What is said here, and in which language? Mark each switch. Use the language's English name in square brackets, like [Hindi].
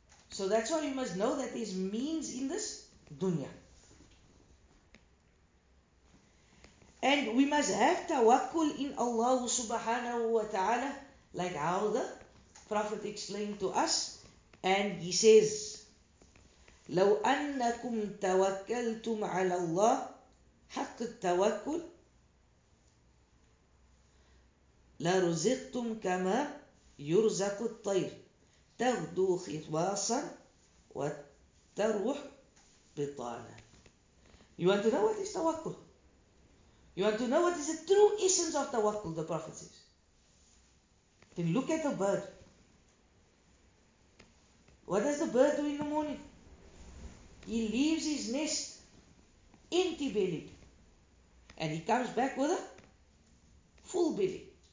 [English] So that's why you must know that there's means in this dunya. And we must have tawakkul in Allah subhanahu wa ta'ala, like how the Prophet explained to us. And he says, [Arabic] لو أنكم توكلتم على الله حق التوكل لرزقتم كما يرزق الطير تغدو خباصا وتروح بطانا. [English] You want to know what is tawakkul? You want to know what is the true essence of tawakkul, the Prophet says. Then look at the bird. What does the bird do in the morning? He leaves his nest empty belly and he comes back with a full belly.